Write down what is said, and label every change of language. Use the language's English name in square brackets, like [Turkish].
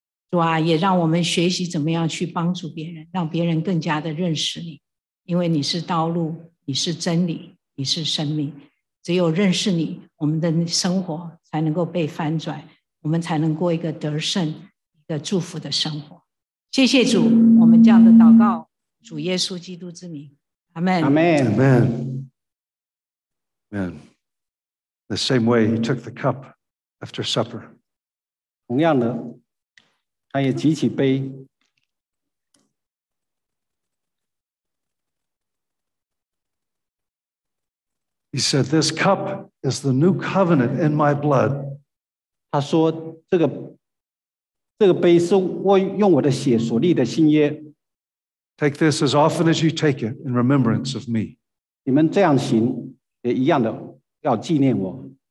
[Chinese] 主啊，也让我们学习怎么样去帮助别人，让别人更加的认识你，因为你是道路，你是真理，你是生命。只有认识你，我们的生活才能够被翻转，我们才能过一个得胜，一个祝福的生活。谢谢主，我们这样的祷告，主耶稣基督之名，阿门。阿门。阿门。Amen. [English] The same way he took the cup after supper. [Chinese] 同样的，他也举起杯。 [English] He said, "This cup is the new covenant in my blood." [Chinese] 他说这个杯是我用我的血所立的新约。 [English] Take this as often as you take it in remembrance of me. [Chinese] 你们这样行也一样的，要纪念我。